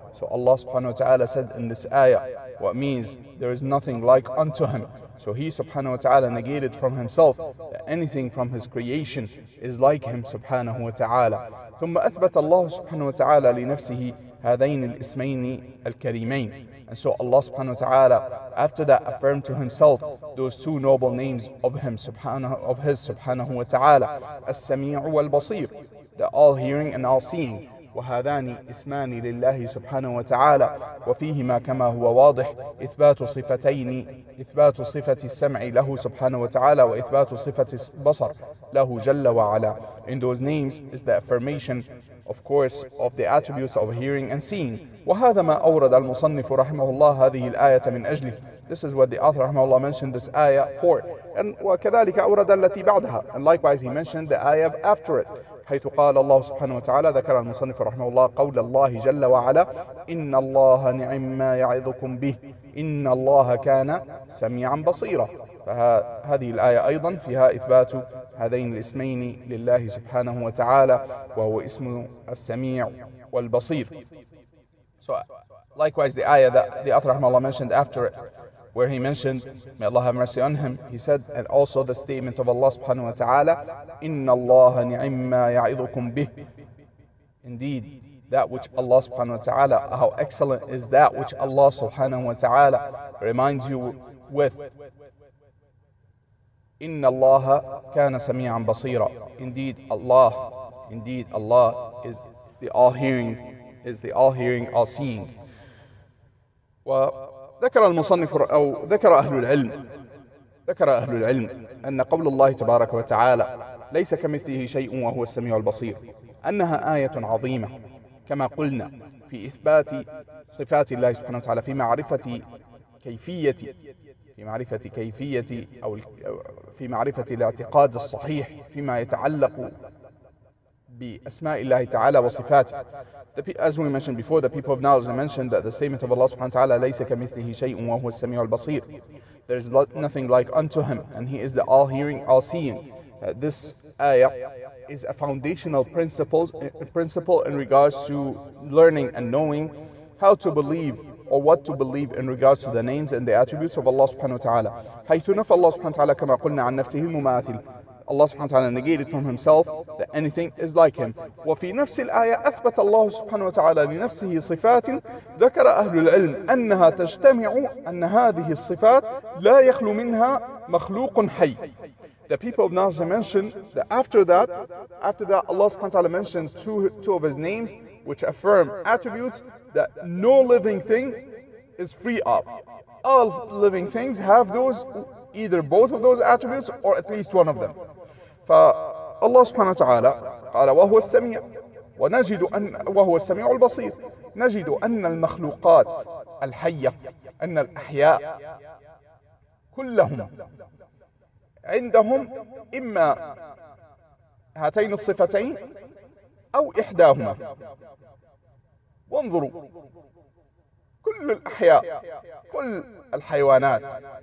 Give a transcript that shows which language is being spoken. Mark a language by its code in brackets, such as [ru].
[en] So Allah subhanahu wa ta'ala said in this ayah what means there is nothing like unto him. So he subhanahu wa ta'ala negated from himself that anything from his creation is like him subhanahu wa ta'ala. [ar] ثم أثبت الله سبحانه وتعالى لنفسه هذين الاسمين الكريمين. [en] And so Allah subhanahu wa ta'ala after that affirmed to himself those two noble names of him subhanahu wa ta'ala, [ar] السميع والبصير, [en] the all hearing and all seeing. [ar] وهذان اسمان لله سبحانه وتعالى, وفيهما كما هو واضح إثبات صفة السمع له سبحانه وتعالى وإثبات صفة البصر له جل وعلا. [en] In those names is the affirmation, of course, of the attributes of hearing and seeing. [ar] وهذا ما أورد المصنف رحمه الله هذه الآية من أجله. [en] This is what the author [ar] رحمه الله [en] mentioned this ayah for. And [ar] وكذلك أورد التي بعدها. [en] And likewise he mentioned the ayah after it. [ar] حيث قال الله سبحانه وتعالى, ذكر المصنف رحمه الله قول الله جل وعلا إن الله نعم ما يعظكم به إن الله كان سميعا بصيرا. فهذه الآية أيضا فيها إثبات هذين الاسمين لله سبحانه وتعالى وهو اسم السميع والبصير. [en] So likewise the ayah that the author رحمه الله mentioned after it, where he mentioned, may Allah have mercy on him, he said, and also the statement of Allah subhanahu wa ta'ala, [ar] إِنَّ اللَّهَ نِعِمَّا يَعِذُكُمْ بِهِ. [en] Indeed, that which Allah subhanahu wa ta'ala, how excellent is that which Allah subhanahu wa ta'ala reminds you with. [ar] إِنَّ اللَّهَ كَانَ سَمِيعًا بَصِيرًا. [en] Indeed, Allah is the all-hearing, all-seeing. [ar] وذكر المصنف أو ذكر أهل العلم أن قول الله تبارك وتعالى ليس كمثله شيء وهو السميع البصير أنها آية عظيمة كما قلنا في إثبات صفات الله سبحانه وتعالى في معرفة كيفية أو في معرفة الاعتقاد الصحيح فيما يتعلق بأسماء الله تعالى وصفاته. [en] As we mentioned before, the people of knowledge mentioned that the statement of Allah subhanahu wa ta'ala [ar] ليس كمثله شيء وهو السميع البصير. [en] There is nothing like unto him and he is the all-hearing, all-seeing. This ayah is a foundational principle in regards to learning and knowing how to believe or what to believe in regards to the names and the attributes of Allah subhanahu wa ta'ala. [ar] حيث نفى الله سبحانه وتعالى كما قلنا عن نفسه المماثل. [en] Allah subhanahu wa ta'ala negated from himself that anything is like him. [ar] وفي نفس الآية أثبت الله سبحانه وتعالى لنفسه صفات ذكر أهل العلم أنها تجتمع أن هذه الصفات لا يخلو منها مخلوق حي. [en] The people of knowledge mentioned that after that Allah subhanahu wa ta'ala mentioned two of his names which affirm attributes that no living thing is free of. All living things have those, either both of those attributes or at least one of them. [ar] فالله سبحانه وتعالى قال وهو السميع ونجد أن وهو السميع البصير نجد أن المخلوقات الحية أن الأحياء كلهم عندهم إما هاتين الصفتين أو إحداهما وانظروا كل الأحياء كل الحيوانات